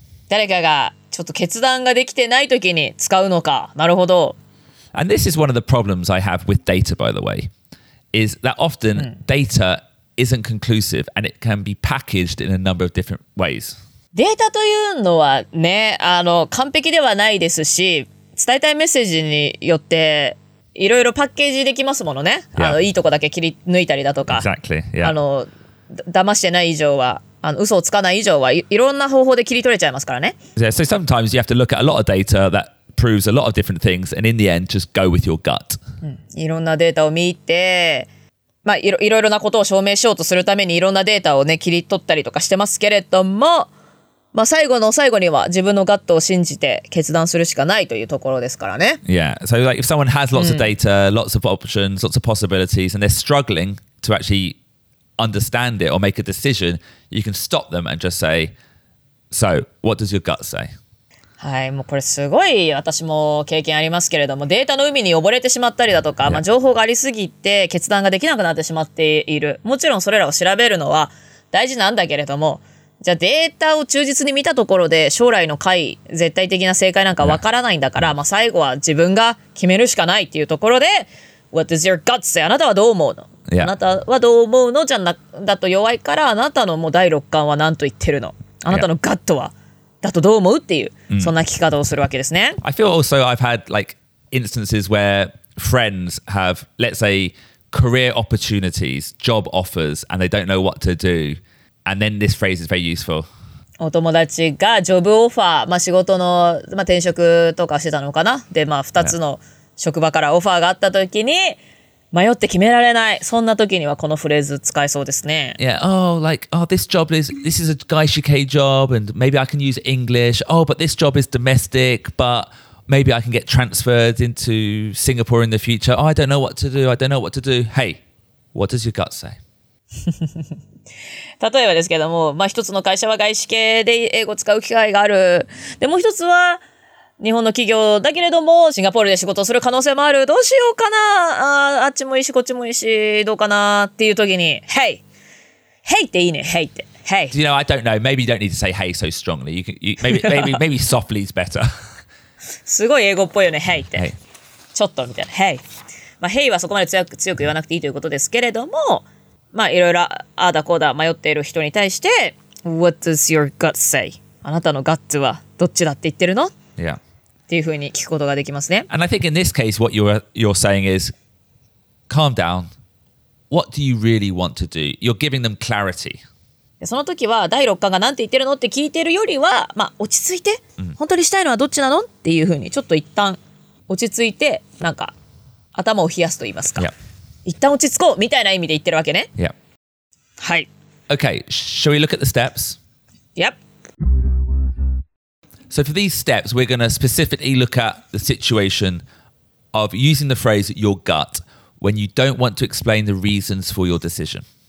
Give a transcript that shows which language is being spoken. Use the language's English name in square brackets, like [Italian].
[Japanese] 誰かがちょっと決断ができてない時に使うのか。なるほど。 [English] And this is one of the problems I have with data, by the way, is that often data isn't conclusive and it can be packaged in a number of different ways. [Japanese] データというのはね、あの完璧ではないですし、伝えたいメッセージによっていろいろパッケージできますものね、 [English] yeah. [Japanese] あのいいとこだけ切り抜いたりだとか、 [English] exactly. yeah. [Japanese] あの騙してない以上は、あの嘘をつかない以上は、いろんな方法で切り取れちゃいますからね。 [English] Yeah, so sometimes you have to look at a lot of data that proves a lot of different things, and in the end, just go with your gut. [Japanese] いろんなデータを見て、まあ、いろいろなことを証明しようとするためにいろんなデータを、ね、切り取ったりとかしてますけれども、まあ、最後の最後には自分のガットを信じて決断するしかないというところですからね。 [English] Yeah, so like if someone has lots of data, lots of options, lots of possibilities, and they're struggling to actually understand it or make a decision, you can stop them and just say, so, what does your gut say? [Japanese] はい、もうこれすごい私も経験ありますけれども、データの海に溺れてしまったりだとか、まあ、情報がありすぎて決断ができなくなってしまっている。もちろんそれらを調べるのは大事なんだけれども、じゃあデータを忠実に見たところで将来の回絶対的な正解なんかわからないんだから、まあ、最後は自分が決めるしかないっていうところで、 [English] What does your gut say? [Japanese] あなたはどう思うの、あなたはどう思うの、じゃなだと弱いから、あなたのもう第六感は何と言ってるの、あなたのガットはだとどう思うっていう、そんな聞き方をするわけですね。 [English] I feel also I've had like instances where friends have, let's say, career opportunities, job offers, and they don't know what to do. And then this phrase is very useful. [Japanese] お友達がジョブオファー、まあ、仕事の、まあ、転職とかしてたのかな。で、まあ、2つの職場からオファーがあった時に迷って決められない、そんな時にはこのフレーズ使えそうですね。 [English] Yeah, oh, like, oh, this job is, this is a gaishike job, and maybe I can use English. Oh, but this job is domestic, but maybe I can get transferred into Singapore in the future. Oh, I don't know what to do, I don't know what to do. Hey, what does your gut say? [Japanese] 例えばですけども、まあ、一つの会社は外資系で英語使う機会がある。で、もう一つは日本の企業だけれども、シンガポールで仕事する可能性もある。どうしようかな、 あっちもいいし、こっちもいいし、どうかなっていう時に、Hey! Hey! っていいね、Hey! って。Hey! [English] You know, I don't know. Maybe you don't need to say Hey so strongly. You can, you, maybe softly is better. [Japanese] すごい英語っぽいよね、Hey! って。Hey. ちょっとみたいな、Hey! まあ、Hey! はそこまで強く言わなくていいということですけれども、まあ、いろいろ、ああだこうだ迷っている人に対して、 [English] What does your gut say? [Japanese] あなたのガッツはどっちだって言ってるの? [English] Yeah. And I think in this case, what you're saying is, calm down. What do you really want to do? You're giving them clarity. [Japanese] その時は第六感が何て言ってるのって聞いてるよりは、まあ、落ち着いて、本当にしたいのはどっちなのっていうふうにちょっと一旦落ち着いて、なんか頭を冷やすと言いますか。 [English] Yeah. [Japanese] 一旦落ち着こうみたいな意味で言ってるわけね。 [English] Yeah. [Japanese] はい。 [English] Okay. Shall we look at the steps? Yep. So for these steps, we're going to specifically look at the situation of using the phrase your gut when you don't want to explain the reasons for your decision.